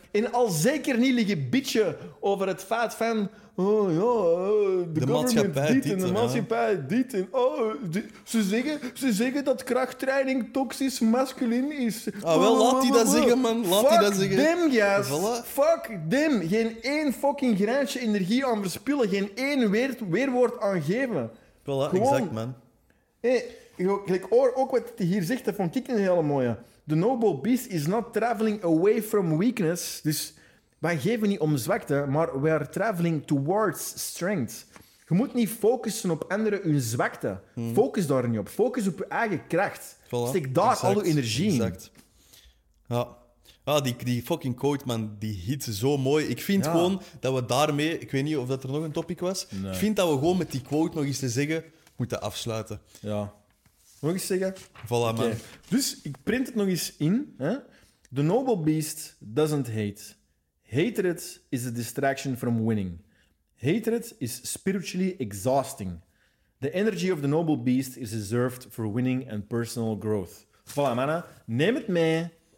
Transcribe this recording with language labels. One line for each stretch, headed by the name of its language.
Dutch: En al zeker niet liggen bitchen over het feit van de maatschappij dit en ze zeggen dat krachttraining toxisch masculin is. Laat die dat zeggen.
English: Fuck them, guys.
Dutch: Voilà.
English: Fuck them.
Dutch: Geen één fucking graantje energie aan verspillen. Geen één weerwoord aan geven. Voilà, gewoon, exact, man. Ik hoor ook wat hij hier zegt, dat vond ik een hele mooie.
English: The noble beast is not traveling away from weakness.
Dutch: Dus wij geven niet om zwakte, maar
English: we are traveling towards strength.
Dutch: Je moet niet focussen op anderen hun zwakte. Hmm. Focus daar niet op. Focus op je eigen kracht. Voilà. Steek daar al je energie in. Exact. Ja. Ja, die fucking quote, man, die hit zo mooi. Ik vind gewoon dat we daarmee, ik weet niet of dat er nog een topic was, nee. Ik vind dat we gewoon met die quote nog eens te zeggen moeten afsluiten. Ja. Nog eens zeggen? Voilà, man. Okay. Dus ik print het nog eens in. Hè?
English: The noble beast doesn't hate. Hatred is a distraction from winning. Hatred is spiritually exhausting. The energy of the noble beast is reserved for winning and personal growth.
Dutch: Voilà, mannen. Neem het mee.